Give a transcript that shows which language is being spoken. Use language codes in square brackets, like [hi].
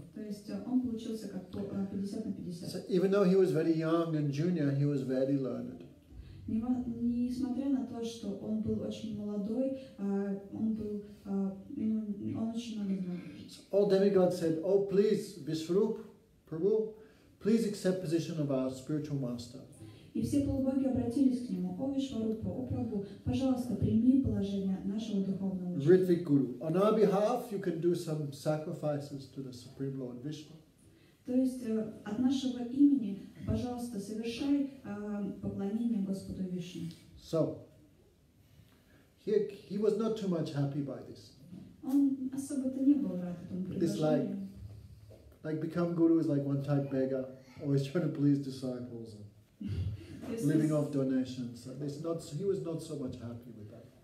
[ru] То есть он получился как 50 на 50. [en] So even though he was very young and junior, he was very learned. [ru] Несмотря на то, что он был очень молодой, он был, он очень много знал. [en] So all demigods said, "Oh, please, Vishwarup, Prabhu, please accept position of our spiritual master." [ru] И все полубоги обратились к нему: "О Вишварупа, о Прабху, пожалуйста, прими положение нашего духовного учителя." [en] Ритвик Гуру, on our behalf, you can do some sacrifices to the Supreme Lord Vishnu. [ru] То есть от нашего имени, пожалуйста, совершай поклонение Господу Вишну. [en] So he was not too much happy by this. [ru] Он особо-то не был рад этому предложению. [en] Like become guru is like one type beggar, always trying to please disciples and living off donations. He was not so much happy with that.